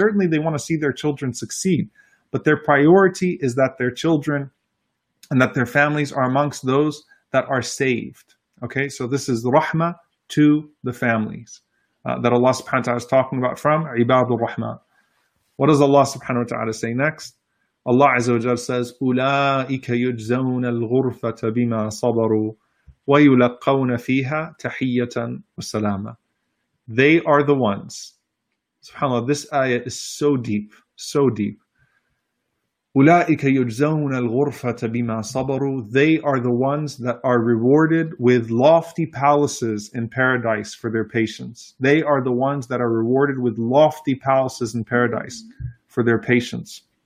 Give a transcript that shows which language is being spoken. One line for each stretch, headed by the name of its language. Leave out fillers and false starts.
English: Certainly they want to see their children succeed. But their priority is that their children and that their families are amongst those that are saved. Okay, so this is rahmah to the families that Allah subhanahu wa ta'ala is talking about from Ibad al-Rahman. What does Allah subhanahu wa ta'ala say next? Allah azza wa jalla says,
Arabic: أُولَٰئِكَ يُجْزَوْنَ الْغُرْفَةَ بِمَا صَبَرُوا وَيُلَقَّوْنَ فِيهَا تَحِيَّةً وَسَلَامًا.
English: They are the ones. SubhanAllah, this ayah is so deep, so deep.
Arabic: أُولَٰئِكَ يُجْزَوْنَ الْغُرْفَةَ بِمَا صَبَرُوا.
English: They are the ones that are rewarded with lofty palaces in paradise for their patience. They are the ones that are rewarded with lofty palaces in paradise for their patience.